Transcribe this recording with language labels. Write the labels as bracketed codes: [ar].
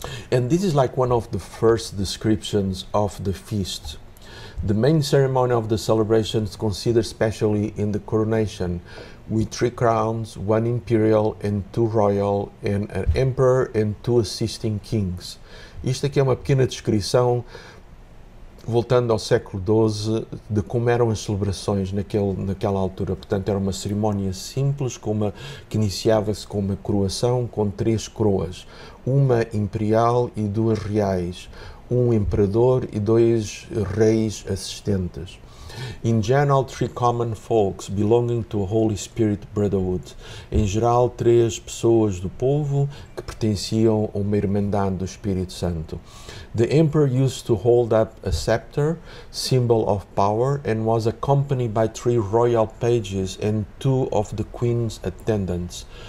[en] And this is like one of the first descriptions of the feast. The main ceremony of the celebration is considered specially in the coronation, with three crowns, one imperial and two royal, and an emperor and two assisting kings. [pt] Isto aqui é uma pequena descrição, voltando ao século XII, de como eram as celebrações naquela altura. Portanto, era uma cerimónia simples, que iniciava-se com uma coroação com três coroas, uma imperial e duas reais, um imperador e dois reis assistentes. [en] In general, three common folks belonging to a Holy Spirit Brotherhood. [pt] Em geral, três pessoas do povo que pertenciam a uma irmandade do Espírito Santo. [en] The emperor used to hold up a scepter, symbol of power, and was accompanied by three royal pages and two of the queen's attendants.